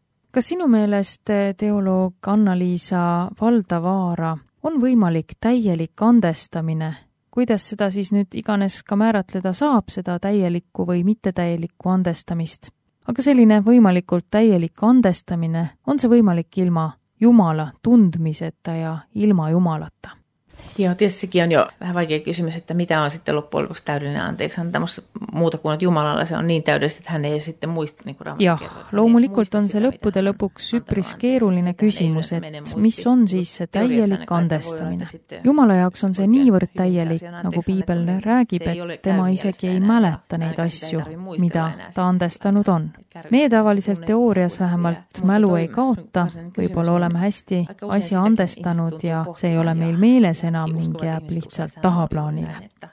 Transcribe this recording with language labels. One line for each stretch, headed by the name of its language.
Estonian: Kas sinu meelest teoloog Anna-Liisa Valdavaara on võimalik täielik andestamine? Kuidas seda siis nüüd iganes ka määratleda saab seda täielikku või mitte täielikku andestamist? Aga selline võimalikult täielik andestamine on see võimalik ilma Jumala tundmiseta ja ilma Jumalata.
Finnish: Joo, tietysti on jo vähän vaikea kysymys, että mitä on sitten loppujen lopuksi täydellinen anteeksi antamus muuta kuin, että Jumalalla se on niin täydellistä, että hän ei sitten muista. Niin
Estonian: joo, loomulikult on se lõppude lõpuks üpris keeruline küsimus, et mis on siis see täielik andestaminen. Jumala jaoks on see niivõrd täielik, nagu Piibel räägib, et tema isegi ei mäleta neid asju, mida ta andestanud on. Meie tavaliselt teoorias vähemalt mälu ei kaota, võib-olla oleme hästi asja andestanud ja see ei ole meil meeles enam ning jääb lihtsalt tahaplaanile.